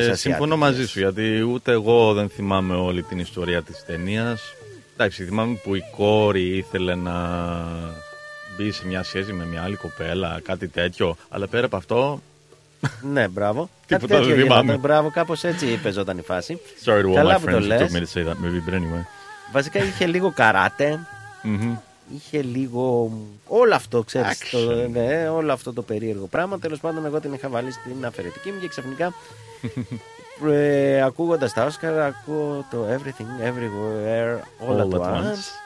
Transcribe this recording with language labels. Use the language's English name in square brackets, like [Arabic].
[Greek] ασιάτικες. Και συμφωνώ μαζί σου γιατί ούτε εγώ δεν θυμάμαι όλη την ιστορία της ταινίας. Εντάξει, θυμάμαι που η κόρη ήθελε να μπει σε μια σχέση με μια άλλη κοπέλα, κάτι τέτοιο. Αλλά πέρα από αυτό... Ναι, μπράβο. Τίποτα δεν θυμάμαι. Μπράβο, κάπως έτσι παίζονταν η φάση. [English] Sorry to all my friends who took me to see that movie, but anyway. [Greek] Βασικά είχε λίγο καράτε. Είχε λίγο όλο αυτό, ξέρεις, το, ναι, όλο αυτό το περίεργο πράγμα. Τέλος πάντων, εγώ την είχα βάλει στην αφαιρετική μου και ξαφνικά ακούγοντας τα Όσκαρ, ακούω το Everything, Everywhere, All at Once.